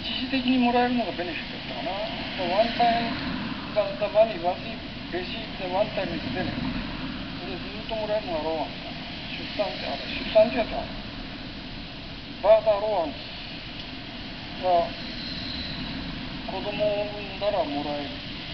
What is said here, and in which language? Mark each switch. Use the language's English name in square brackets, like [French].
[Japanese] 的にもらえるのがベネフィットだったかな。 [English] The one time that the money was received, the one time is benefit. [Japanese] それずっともらえるのがローアンス。出産ってあれ、出産ってやつある。バーバーローアンスは子供を産んだらもらえる。